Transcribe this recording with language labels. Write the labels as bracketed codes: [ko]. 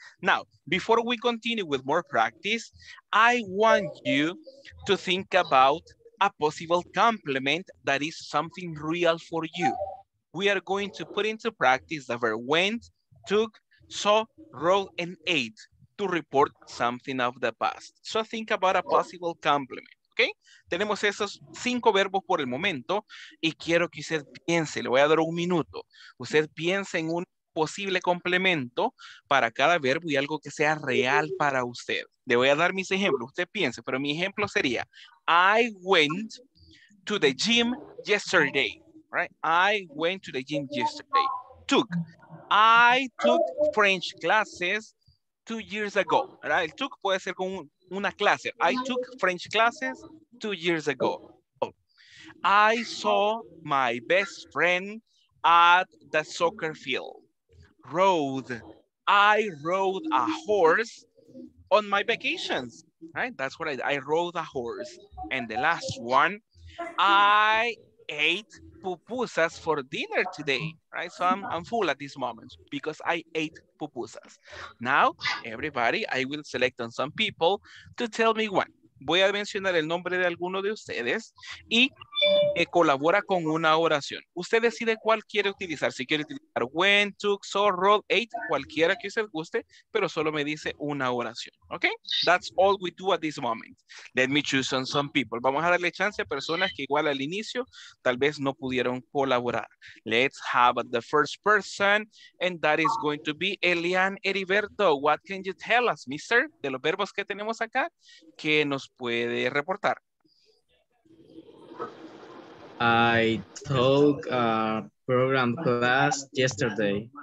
[en] Now, before we continue with more practice, I want you to think about a possible complement that is something real for you. We are going to put into practice the verb went, took, saw, wrote, and ate to report something of the past. So think about a possible complement, okay? [es] Tenemos esos cinco verbos por el momento y quiero que usted piense, le voy a dar un minuto, usted piense en un posible complemento para cada verbo y algo que sea real para usted. Le voy a dar mis ejemplos, usted piense, pero mi ejemplo sería, [en] I went to the gym yesterday. [es] Right. [en] I went to the gym yesterday. Took. I took French classes 2 years ago. Right. [es] El took puede ser con una clase. [en] I took French classes 2 years ago. Oh. I saw my best friend at the soccer field. Rode. I rode a horse on my vacations. Right. That's what I rode a horse. And the last one, I ate pupusas for dinner today, right? So I'm full at this moment because I ate pupusas. Now, everybody, I will select on some people to tell me one. [es] Voy a mencionar el nombre de alguno de ustedes y colabora con una oración. Usted decide cuál quiere utilizar. Si quiere utilizar went, took, saw, wrote, ate, cualquiera que usted guste, pero solo me dice una oración, ¿ok? [en] That's all we do at this moment. Let me choose on some people. [es] Vamos a darle chance a personas que igual al inicio tal vez no pudieron colaborar. [en] Let's have the first person, and that is going to be Elian Heriberto. What can you tell us, mister, [es] de los verbos que tenemos acá que nos puede reportar? [en] I took a program class yesterday.